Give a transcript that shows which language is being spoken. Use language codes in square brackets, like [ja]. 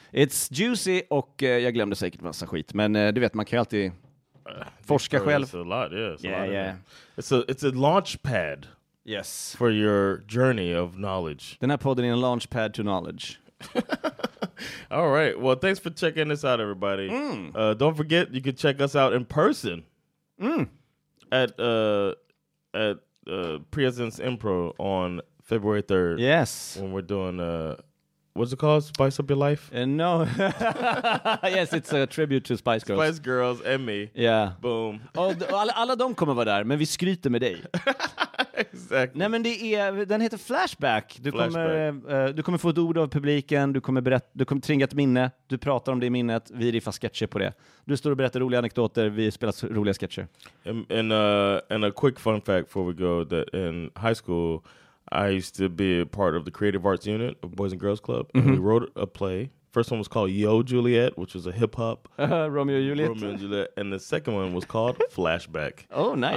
[en] It's juicy, [sv] och jag glömde säkert massa skit. Men du vet, man kan ju alltid forska själv. [en] It's a lot, yeah. It's a launch pad. Yes. For your journey of knowledge. [sv] Den här podden är en [en] launch pad to knowledge. All right. Well, thanks for checking this out, everybody. Mm. Don't forget, you can check us out in person. Mm. At Presence Impro on February 3rd. Yes. When we're doing, what's it called? Spice Up Your Life? No. Yes, it's a tribute to Spice Girls. Spice Girls and me. Yeah. Boom. [sv] Alla de kommer vara där, men vi skryter med dig. [en] Exactly. [sv] Nej, men den heter Flashback. Du kommer få ett ord av publiken, du kommer tringa ett minne, du pratar om det minnet, vi riffar sketcher på det. Du står och berättar roliga anekdoter, vi spelar roliga sketcher. [en] And a quick fun fact before we go, that in high school I used to be a part of the creative arts unit of Boys and Girls Club. Mm-hmm. And we wrote a play. First one was called Yo Juliet, which was a hip-hop. Romeo and Juliet. And the second one was called Flashback. Oh, nice.